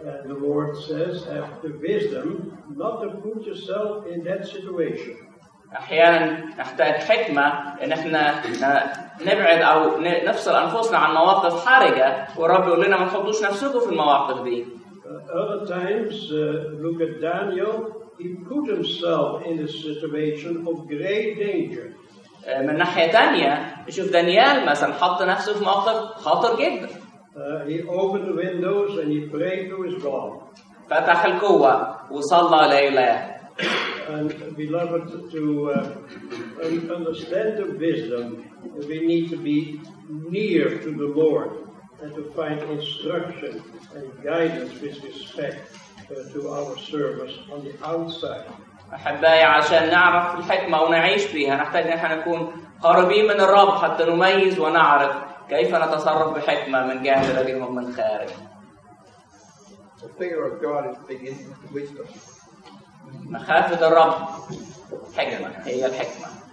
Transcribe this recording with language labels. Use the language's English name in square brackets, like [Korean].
[English] The Lord says, have the wisdom not to put yourself in that situation. [Arabic] أحيانا نحتاج حكمة إن إحنا نبعد أو نفصل أنفسنا عن مواقف حرجة ورب يقول لنا ما تحطوش نفسكم في المواقف دي. [English] Other times, look at Daniel. He put himself in a situation of great danger. [Arabic] من ناحية تانية نشوف دانيال مثلا حط نفسه في موقف خطر جدا. [English] He opened the windows and he prayed to his God. [Arabic] فتح القوة وصلى لإله. [English] And beloved, to understand the wisdom, we need to be near to the Lord and to find instruction and guidance with respect to our service on the outside. [Arabic] أحبائي عشان نعرف الحكمة ونعيش فيها نحتاج أن نكون قربين من الرب حتى نميز ونعرف كيف نتصرف بحكمة من جهة الذين هم من خارج. [English] The fear of God is the wisdom. [Arabic] مخافة الرب حكمة هي الحكمة.